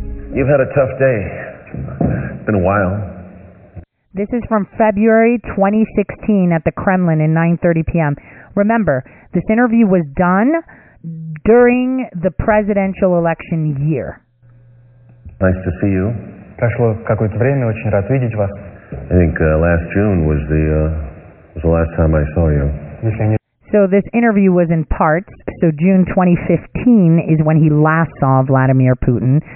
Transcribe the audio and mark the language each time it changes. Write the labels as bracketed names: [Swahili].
[English] You've had a tough day. Been a while. This is from February 2016 at the Kremlin at 9:30 p.m. Remember, this interview was done during the presidential election year. Nice to see you. [Russian] Прошло какое-то время, очень рад видеть вас. [English] I think last June was the last time I saw you. So this interview was in parts. So June 2015 is when he last saw Vladimir Putin.